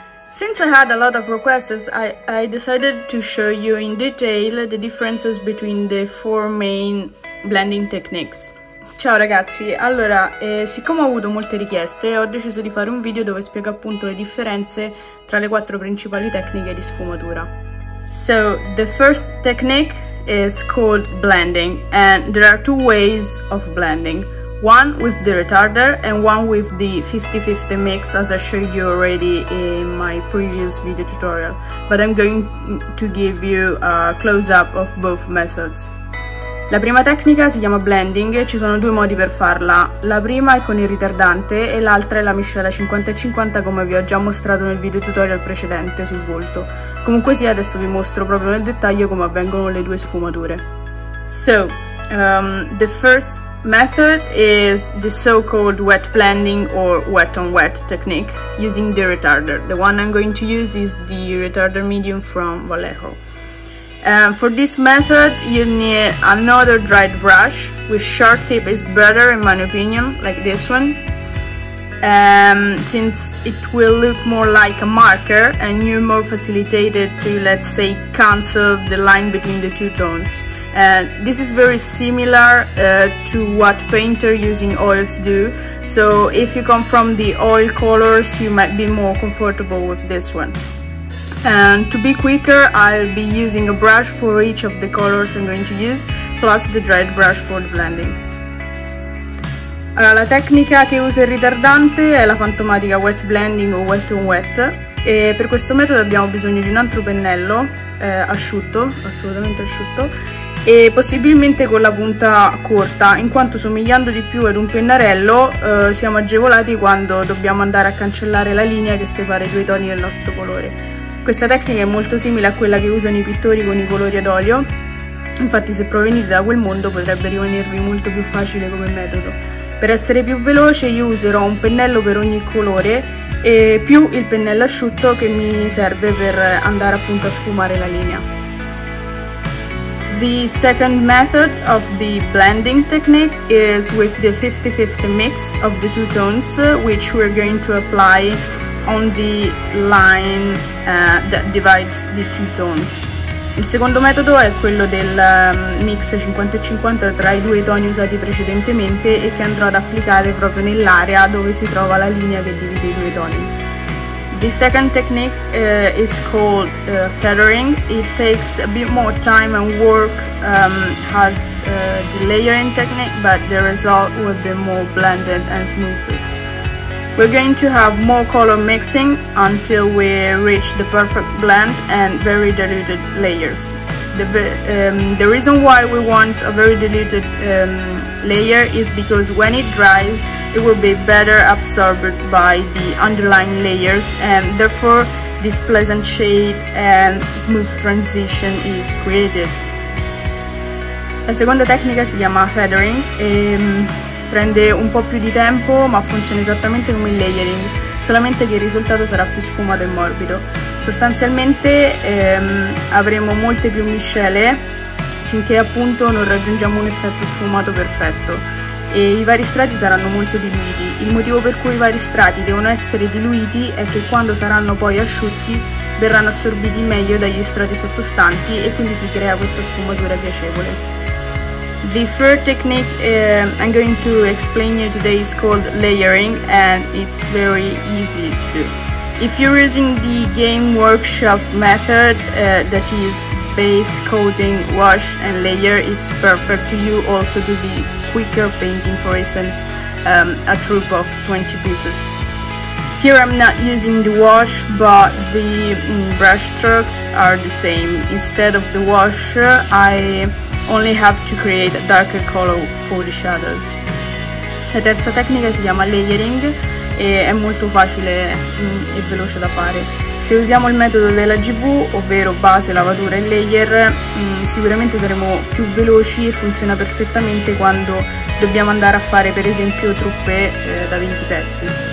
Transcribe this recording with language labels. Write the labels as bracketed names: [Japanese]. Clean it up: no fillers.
[English] Since I had a lot of requests, I decided to show you in detail the differences between the four main blending techniques. [Italian] Ciao ragazzi, allora, siccome ho avuto molte richieste, ho deciso di fare un video dove spiego appunto le differenze tra le quattro principali tecniche di sfumatura. [English] So, the first technique is called blending, and there are two ways of blending. One with the retarder and one with the 50-50 mix, as I showed you already in my previous video tutorial. But I'm going to give you a close-up of both methods. [Italian] La prima tecnica si chiama blending e ci sono due modi per farla. La prima è con il ritardante e l'altra è la miscela 50-50, come vi ho già mostrato nel video tutorial precedente sul volto. Comunque sì, adesso vi mostro proprio nel dettaglio come avvengono le due sfumature. [English] So, the first method is the so-called wet blending or wet-on-wet technique using the retarder. The one I'm going to use is the retarder medium from Vallejo. For this method, you need another dried brush with sharp tip is better in my opinion, like this one, since it will look more like a marker and you're more facilitated to, let's say, cancel the line between the two tones. And this is very similar to what painter using oils do, so if you come from the oil colors, you might be more comfortable with this one. And to be quicker, I'll be using a brush for each of the colors I'm going to use, plus the dried brush for the blending. [Italian] Allora, la tecnica che usa il ritardante è la fantomatica wet blending o wet on wet. E per questo metodo abbiamo bisogno di un altro pennello asciutto, assolutamente asciutto, e possibilmente con la punta corta, in quanto somigliando di più ad un pennarello siamo agevolati quando dobbiamo andare a cancellare la linea che separa i due toni del nostro colore. Questa tecnica è molto simile a quella che usano i pittori con i colori ad olio, infatti se provenite da quel mondo potrebbe rimanervi molto più facile come metodo. Per essere più veloce io userò un pennello per ogni colore e più il pennello asciutto che mi serve per andare appunto a sfumare la linea. [English] The second method of the blending technique is with the 50-50 mix of the two tones, which we're going to apply on the line that divides the two tones. [Italian] Il secondo metodo è quello del mix 50-50 tra i due toni usati precedentemente e che andrò ad applicare proprio nell'area dove si trova la linea che divide i due toni. [English] The second technique is called feathering. It takes a bit more time and work as the layering technique, but the result will be more blended and smooth. We're going to have more color mixing until we reach the perfect blend and very diluted layers. The reason why we want a very diluted layer is because when it dries, it will be better absorbed by the underlying layers and therefore this pleasant shade and smooth transition is created. [Italian] La seconda tecnica si chiama feathering. Prende un po' più di tempo, ma funziona esattamente come il layering, solamente che il risultato sarà più sfumato e morbido. Sostanzialmente avremo molte più miscele finché appunto non raggiungiamo un effetto sfumato perfetto e i vari strati saranno molto diluiti. Il motivo per cui i vari strati devono essere diluiti è che quando saranno poi asciutti verranno assorbiti meglio dagli strati sottostanti e quindi si crea questa sfumatura piacevole. [English] The third technique I'm going to explain you today is called layering and it's very easy to do. If you're using the Game Workshop method, that is base, coating, wash and layer, it's perfect to you also to be quicker painting, for instance, a troop of 20 pieces. Here I'm not using the wash, but the brush strokes are the same. Instead of the wash, I only have to create a darker color for the shadows. [Italian] La terza tecnica si chiama layering e è molto facile e veloce da fare. Se usiamo il metodo della GV, ovvero base, lavatura e layer, sicuramente saremo più veloci e funziona perfettamente quando dobbiamo andare a fare per esempio truppe da 20 pezzi.